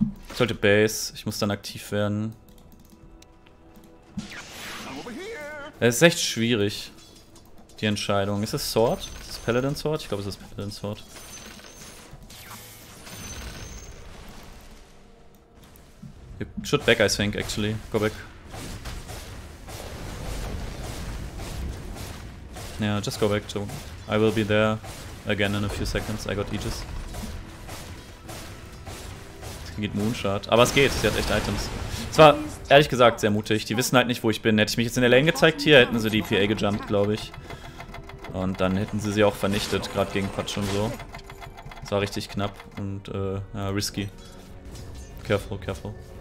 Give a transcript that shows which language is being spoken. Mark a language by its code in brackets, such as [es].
[de] Ich sollte Base, ich muss dann aktiv werden. Es ist echt schwierig, die Entscheidung. Ist es Sword? Ist es Paladin Sword? Ich glaube, es ist Paladin Sword. [en] You should back, I think, actually. Go back. Yeah, just go back to. I will be there again in a few seconds. I got Aegis. [de] Geht Moonshard. Aber es geht, sie hat echt Items. Es war, ehrlich gesagt, sehr mutig. Die wissen halt nicht, wo ich bin. Hätte ich mich jetzt in der Lane gezeigt hier, hätten sie die PA gejumpt, glaube ich. Und dann hätten sie auch vernichtet, gerade gegen Patsch und so. Es war richtig knapp und risky. [en] Careful, careful.